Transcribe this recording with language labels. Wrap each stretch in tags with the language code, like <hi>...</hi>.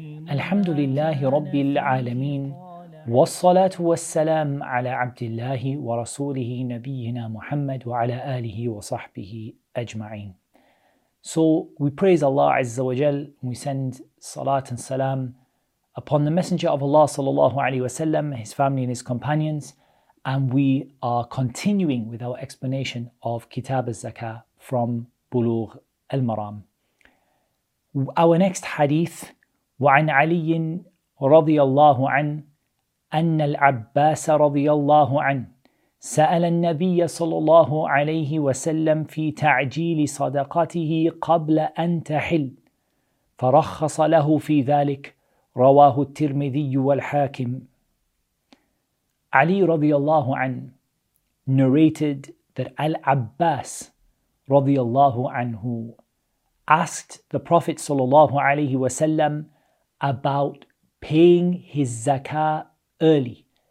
<ar>الحمد لله رب العالمين والصلاة والسلام على عبد الله ورسوله نبينا محمد وعلى آله وصحبه أجمعين.</ar> <en>So we praise Allah Azza wa Jal, we send salat and salam upon the Messenger of Allah sallallahu alayhi wa sallam, his family and his companions, and we are continuing with our explanation of Kitab al-Zakah from Bulugh al-Maram. Our next hadith,</en> <ar>وَعَنْ عَلِيٍ رَضِيَ اللَّهُ عَنْ أَنَّ الْعَبَّاسَ رَضِيَ اللَّهُ عَنْ سأل النبي صلى الله عليه وسلم في تعجيل صدقته قبل أن تحل فرخص له في ذلك رواه الترمذي والحاكم.</ar> <en>Ali</en> <ar>رضي الله عنه</ar> <en>narrated that Al-Abbas رضي الله عنه asked the Prophet</en> <ar>صلى الله عليه وسلم</ar> <en>about paying his zakah early.</en>